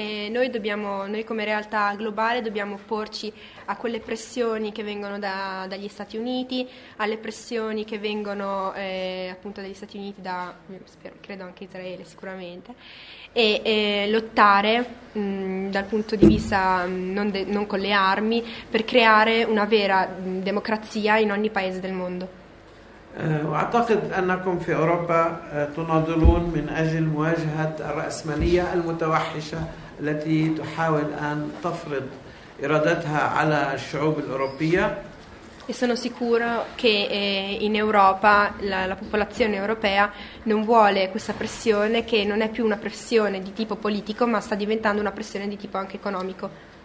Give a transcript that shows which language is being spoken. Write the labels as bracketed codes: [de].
[it] Noi dobbiamo, noi come realtà globale dobbiamo opporci a quelle pressioni che vengono da, dagli Stati Uniti, alle pressioni che vengono appunto dagli Stati Uniti, da, spero, credo anche Israele sicuramente, e lottare dal punto di vista non con le armi, per creare una vera democrazia in ogni paese del mondo. [ar] أعتقد أنكم في أوروبا تناضلون من أجل مواجهة الرأسمالية المتوحشة التي تحاول أن تفرض إرادتها على الشعوب الأوروبية. [it] E sono sicuro che in Europa la popolazione europea non vuole questa pressione, che non è più una pressione di tipo politico ma sta diventando una pressione di tipo anche economico.